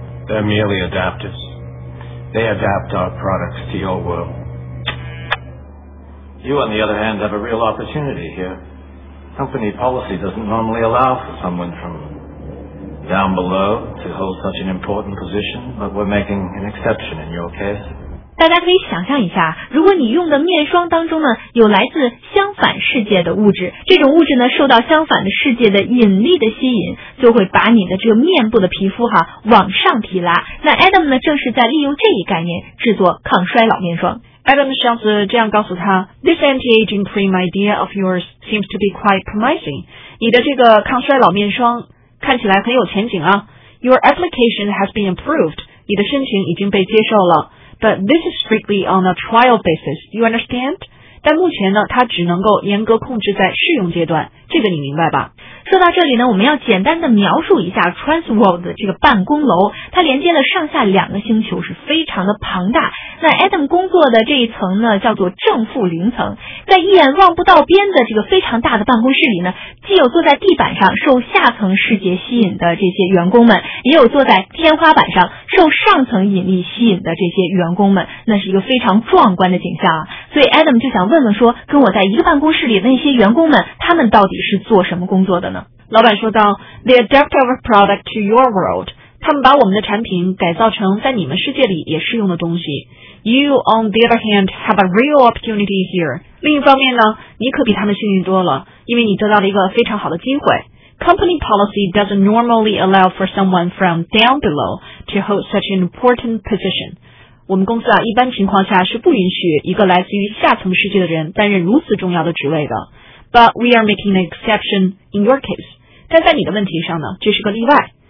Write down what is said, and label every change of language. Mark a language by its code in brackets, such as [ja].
[en] They're merely adapters. They adapt our products to your world. You, on the other hand, have a real opportunity here. Company policy doesn't normally allow for someone from down below to hold such an important position, but we're making an exception in your case. [zh] 大家可以想象一下，如果你用的面霜当中呢有来自相反世界的物质，这种物质呢受到相反的世界的引力的吸引，就会把你的这个面部的皮肤哈往上提拉。那 Adam 呢正是在利用这一概念制作抗衰老面霜。 [en] Adam [zh] 上次这样告诉他， [en] This anti-aging cream idea of yours seems to be quite promising. [zh] 你的这个抗衰老面霜看起来很有前景啊。 [en] Your application has been approved. [zh] 你的申请已经被接受了。 [en] But this is strictly on a trial basis. You understand? [zh] 但目前呢，它只能够严格控制在试用阶段。这个你明白吧？说到这里呢，我们要简单的描述一下 Transworld 的这个办公楼，它连接了上下两个星球，是非常的庞大。那 Adam 工作的这一层呢，叫做正负零层，在一眼望不到边的这个非常大的办公室里呢，既有坐在地板上受下层世界吸引的这些员工们，也有坐在天花板上受上层引力吸引的这些员工们，那是一个非常壮观的景象啊。所以 Adam 就想问问说，跟我在一个办公室里的那些员工们，他们到底是做什么工作的呢？老板说道， [en] They adapt our product to your world. [zh] 他们把我们的产品改造成在你们世界里也适用的东西。 [en] You, on the other hand, have a real opportunity here. [zh] 另一方面呢，你可比他们幸运多了，因为你得到了一个非常好的机会。 [en] Company policy doesn't normally allow for someone from down below to hold such an important position. [zh] 我们公司啊，一般情况下是不允许一个来自于下层世界的人担任如此重要的职位的。 [en] But we are making an exception in your case. [zh] 但在你的问题上呢，这是个例外。